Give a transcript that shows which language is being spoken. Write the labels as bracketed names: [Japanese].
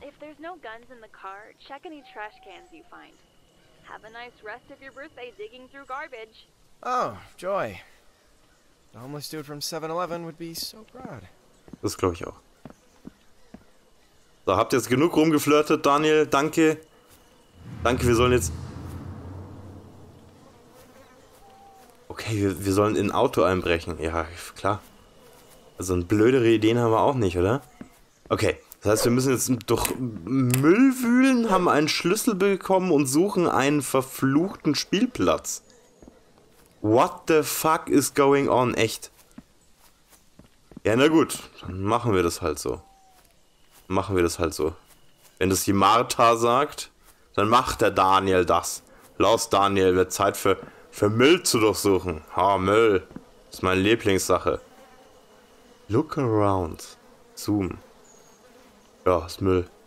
[English] If there's no guns in the car, check any trash cans you find. Have a nice rest of your birthday digging through garbage. Oh, joy. The homeless dude from 7-Eleven would be so proud. [German] Das glaube ich auch. So, habt ihr jetzt genug rumgeflirtet, Daniel? Danke. Danke, wir sollen jetzt... Okay, wir sollen in ein Auto einbrechen. Ja, klar. Also, blödere Ideen haben wir auch nicht, oder? Okay, das heißt, wir müssen jetzt durch Müll wühlen, haben einen Schlüssel bekommen und suchen einen verfluchten Spielplatz. [English] What the fuck is going on? [German] Echt? Ja, na gut. Dann machen wir das halt so. Machen wir das halt so. Wenn das die Martha sagt, dann macht der Daniel das. Los, Daniel, wird Zeit für Müll zu durchsuchen. Ha, Müll. Das ist meine Lieblingssache. [English] Look around. Zoom. [German] Ja, ist Müll.